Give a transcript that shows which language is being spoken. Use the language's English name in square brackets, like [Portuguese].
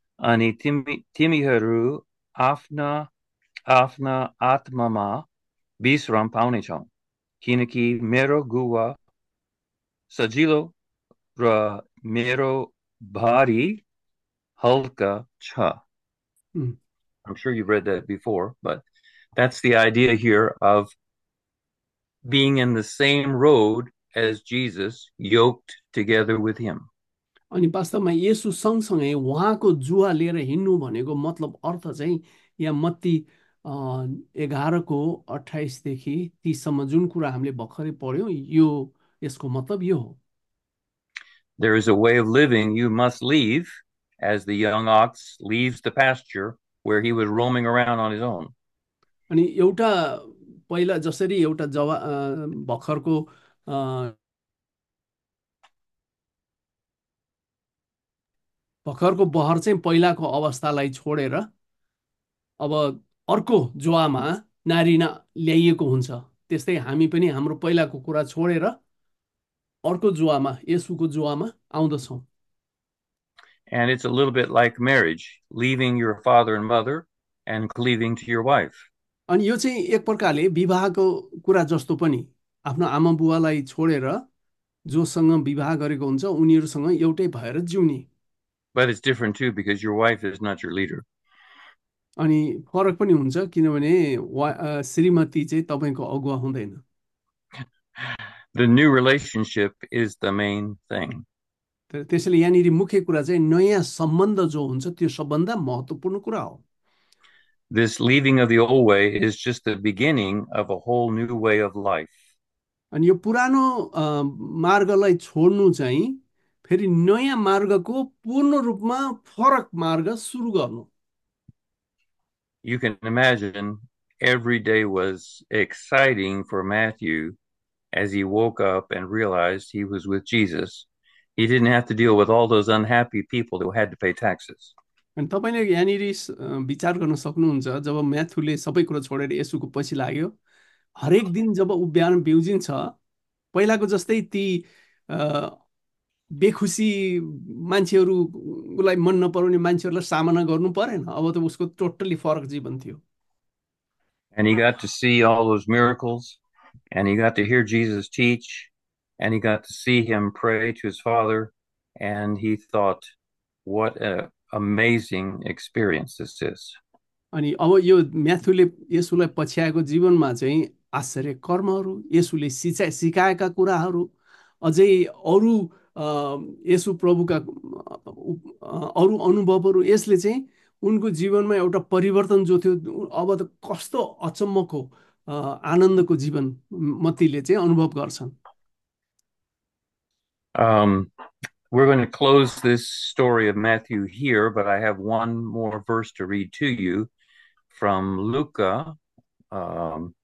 [Nepali] अनि तिमीहरू आफ्ना आफ्ना आत्मामा विश्राम पाउनेछौ किनकि मेरो गुवा सजिलो र मेरो भारी हल्का छ. [English] I'm sure you've read that before, but that's the idea here of being in the same road as Jesus, yoked together with him. [Nepali] अनि वास्तवमा येशु सँगसँगै उहाँको जुवा लिएर हिँड्नु भनेको मतलब अर्थ चाहिँ यहाँ मत्ती 11 को 28 देखि 30 जुन कुरा हामीले भर्खरै पढ्यौँ यो यसको मतलब यो हो. [English] There is a way of living you must leave, as the young ox leaves the pasture where he was roaming around on his own. [Nepali] अनि एउटा पहिला जसरी एउटा जवा भर्खरको भर्खरको बहर चाहिँ पहिलाको अवस्थालाई छोडेर अब अर्को जुवामा नारी ल्याइएको हुन्छ, त्यस्तै हामी पनि हाम्रो पहिलाको कुरा छोडेर अर्को जुवामा, येशूको जुवामा आउँदछौँ. [English] And it's a little bit like marriage, leaving your father and mother and cleaving to your wife. [Nepali] अनि यो चाहिँ एक प्रकारले विवाहको कुरा जस्तो पनि, आफ्नो आमा बुवालाई छोडेर जोसँग विवाह गरेको हुन्छ उनीहरूसँग एउटै भएर जिउने. [English] But it's different too because your wife is not your leader. [Nepali] अनि फरक पनि हुन्छ किनभने श्रीमती चाहिँ तपाईँको अगुवा हुँदैन. [English] The new relationship is the main thing. [Nepali] तर त्यसैले यहाँनिर मुख्य कुरा चाहिँ नयाँ सम्बन्ध जो हुन्छ त्यो सबभन्दा महत्त्वपूर्ण कुरा हो. [English] This leaving of the old way is just the beginning of a whole new way of life. [Nepali] अनि यो पुरानो मार्गलाई छोड्नु चाहिँ फेरि नयाँ मार्गको पूर्ण रूपमा फरक मार्ग सुरु गर्नु. [English] You can imagine every day was exciting for Matthew as he woke up and realized he was with Jesus. He didn't have to deal with all those unhappy people who had to pay taxes. [Nepali] अनि तपाईँले यहाँनिर विचार गर्न सक्नुहुन्छ जब म्याथुले सबै कुरो छोडेर येसुको पछि लाग्यो, हरेक दिन जब ऊ बिहान बिउजिन्छ पहिलाको जस्तै ती बेखुसी मान्छेहरूलाई मन नपराउने मान्छेहरूलाई सामना गर्नु परेन, अब त उसको टोटल्ली फरक जीवन थियो. [English] And he got to see all those miracles, and he got to hear Jesus teach, and he got to see him pray to his father, and he thought, what an amazing experience this is. [Nepali] अनि अब यो म्याथुले येसुलाई पछ्याएको जीवनमा चाहिँ आश्चर्य कर्महरू, येसुले सिकाएका कुराहरू, अझै अरू येसु प्रभुका अरू अनुभवहरू, यसले चाहिँ उनको जीवनमा एउटा परिवर्तन जो थियो अब त कस्तो अचम्मको आनन्दको जीवन मतीले चाहिँ अनुभव गर्छन्. [English] We're going to close this story of Matthew here, but I have one more verse to read to you from Luca 14:33.